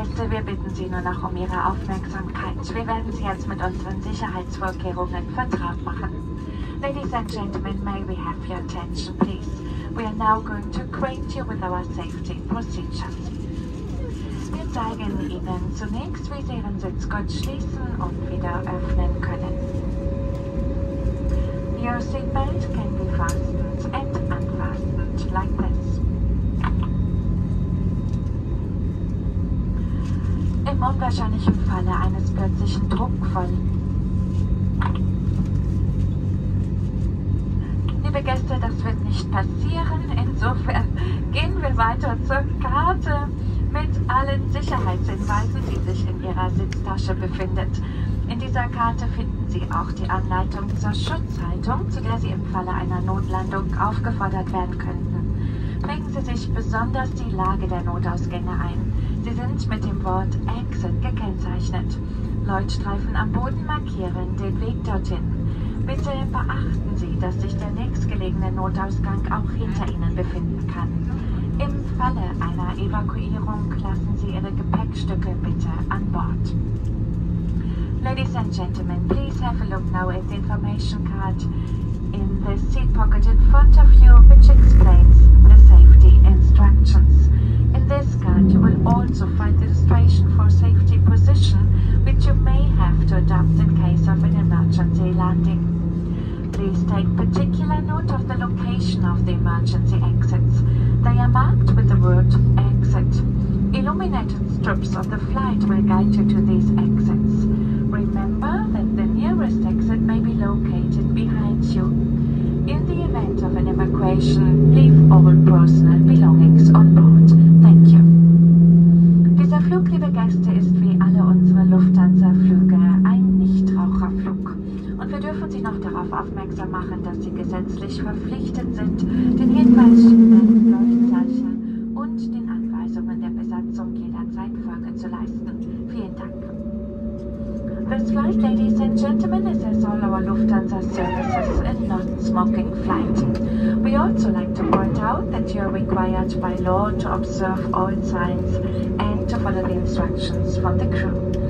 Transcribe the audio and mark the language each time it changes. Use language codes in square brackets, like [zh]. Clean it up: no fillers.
[de] Wir bitten Sie nur noch um Ihre Aufmerksamkeit. Wir werden Sie jetzt mit unseren Sicherheitsvorkehrungen vertraut machen. [en] Ladies and gentlemen, may we have your attention, please. We are now going to acquaint you with our safety procedures. [de] Wir zeigen Ihnen zunächst, wie Sie Ihren Sitzgurt schließen und wieder öffnen können. [en] Your seatbelt can be fastened and unfastened like this. [de] Im unwahrscheinlichen Falle eines plötzlichen Druckfalls. Liebe Gäste, das wird nicht passieren. Insofern gehen wir weiter zur Karte mit allen Sicherheitshinweisen, die sich in Ihrer Sitztasche befindet. In dieser Karte finden Sie auch die Anleitung zur Schutzhaltung, zu der Sie im Falle einer Notlandung aufgefordert werden könnten. Prägen Sie sich besonders die Lage der Notausgänge ein. Sie sind mit dem Wort Exit gekennzeichnet. Leuchtstreifen am Boden markieren den Weg dorthin. Bitte beachten Sie, dass sich der nächstgelegene Notausgang auch hinter Ihnen befinden kann. Im Falle einer Evakuierung lassen Sie Ihre Gepäckstücke bitte an Bord. [en] Ladies and gentlemen, please have a look now at the information card in the seat pocket in front of you, which explains the safety instructions. In this card, you will also find the illustration for safety position, which you may have to adopt in case of an emergency landing. Please take particular note of the location of the emergency exits. They are marked with the word exit. Illuminated strips of the flight will guide you to these exits. Remember that the nearest exit may be located behind you. In the event of an evacuation, leave all personal belongings on board. Thank you. [de] Dieser Flug, liebe Gäste, ist wie alle unsere Lufthansa-Flüge ein Nichtraucherflug. Und wir dürfen Sie noch darauf aufmerksam machen, dass Sie gesetzlich verpflichtet sind, den Hinweisschildern und den Anweisungen der Besatzung jederzeit Folge zu leisten. Vielen Dank. [en] This flight, ladies and gentlemen, is as all our Lufthansa services, a non-smoking flight. We also like to point out that you are required by law to observe all signs and to follow the instructions from the crew.